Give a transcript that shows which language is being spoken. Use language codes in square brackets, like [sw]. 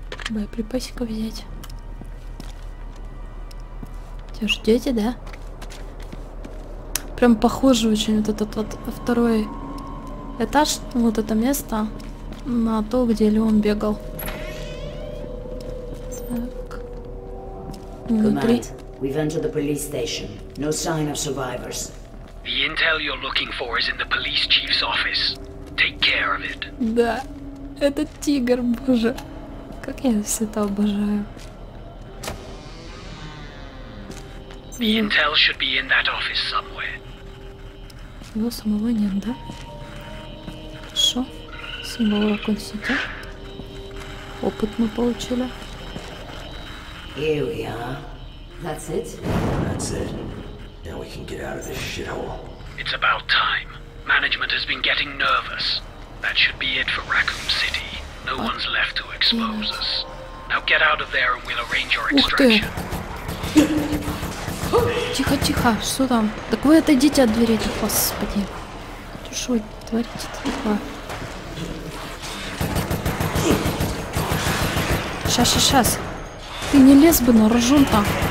[ru] Боеприпасика взять. Тебя ждете, да? Прям похоже очень вот этот вот второй этаж, вот это место, на то, где Леон бегал. Так. Внутри. [en] We've entered the police station. No sign of survivors. The intel you're looking for is in the police chief's office. Take care of it. [ru] Да. Этот тигр, боже. Как я все это обожаю. [en] The intel should be in that office somewhere. [ru] Его самого нет, да? Хорошо. Символ Рок-Сити. Опыт мы получили. [en] Here we are. That's it. Now we can get out of this shithole. It's about time. Management has been getting nervous. That should be it for Raccoon City. No one's left to expose us. Now get out of there and we'll arrange your extraction. [ru] Тихо-тихо, что там? Так вы отойдите от двери, господи. Ты что вы творите такое? Сейчас. Ты не лез бы на рожон-то.